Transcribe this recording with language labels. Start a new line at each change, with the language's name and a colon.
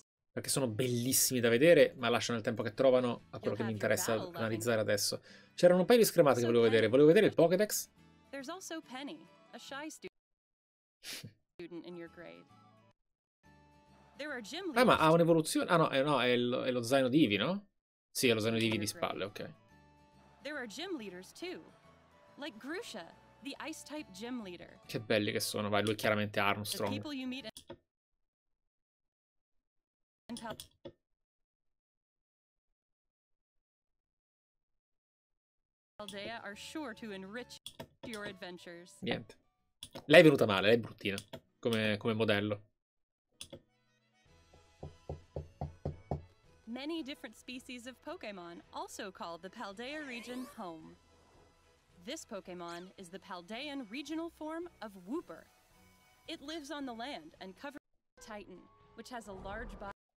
Italian: Perché sono bellissimi da vedere, ma lasciano il tempo che trovano a quello che mi interessa analizzare adesso. C'erano un paio di schermate che volevo vedere. Volevo vedere il Pokédex.
English: There's also Penny, a shy student in your grade. There are gym leaders.
Italian: Ma ha un'evoluzione. Ah, no, è lo zaino di Eevee, no? Sì, è lo zaino di Eevee di spalle, ok.
English: There are gym leaders too. Like Grusha, the ice type gym leader.
Italian: Che belli che sono, vai, lui è chiaramente Armstrong.
English: Aldea are sure to enrich your adventures.
Italian: Niente. Lei è venuta male, lei è bruttina come modello.
English: Many different species of Pokémon also call the Paldea region home. This Pokémon is the Paldean regional form of Wooper. It lives on the land and covers Titan, which has a large body.